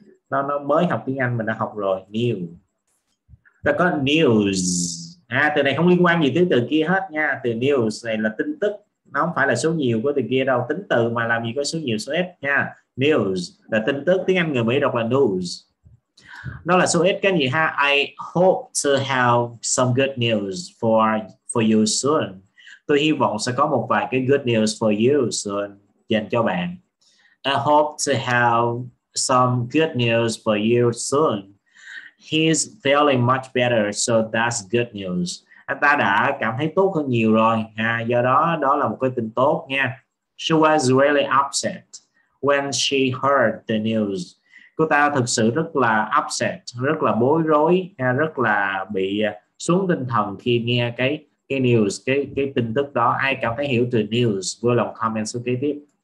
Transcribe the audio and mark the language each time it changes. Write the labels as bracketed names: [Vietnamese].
[Vietnamese] Nó mới học tiếng Anh mình đã học rồi. New. Ta có news. À, từ này không liên quan gì tới từ kia hết nha. Từ news này là tin tức, nó không phải là số nhiều của từ kia đâu. Tính từ mà làm gì có số nhiều số ít nha. News là tin tức, tiếng Anh người Mỹ đọc là news. Nó là số ít cái gì ha. [English] I hope to have some good news for you soon. [Vietnamese] Tôi hy vọng sẽ có một vài cái [English] good news for you soon [Vietnamese] dành cho bạn. [English] I hope to have some good news for you soon. He's feeling much better, so that's good news. [Vietnamese] Anh ta đã cảm thấy tốt hơn nhiều rồi, à, do đó đó là một cái tin tốt nha. [English] She was really upset when she heard the news. [Vietnamese] Cô ta thực sự rất là upset, rất là bối rối, à, rất là bị xuống tinh thần khi nghe cái news, cái tin tức đó. Ai cảm thấy hiểu từ news, vui lòng comment số kế tiếp.